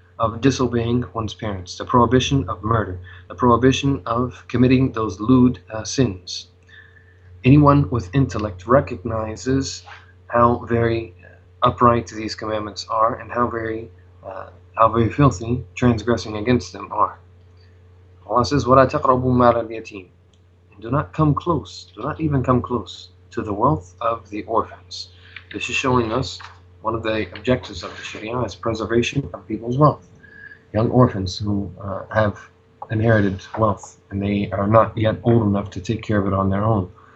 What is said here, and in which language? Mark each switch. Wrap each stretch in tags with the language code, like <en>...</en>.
<en>of disobeying one's parents, the prohibition of murder, the prohibition of committing those lewd sins. Anyone with intellect recognizes how very upright these commandments are and how very filthy transgressing against them are. Allah says,</en> <ar>وَلَا تَقْرَبُوا مَالَ الْيَتِيمِ.</ar> <en>And do not come close, do not even come close to the wealth of the orphans. This is showing us one of the objectives of the Sharia is preservation of people's wealth. Young orphans who have inherited wealth and they are not yet old enough to take care of it on their own.</en>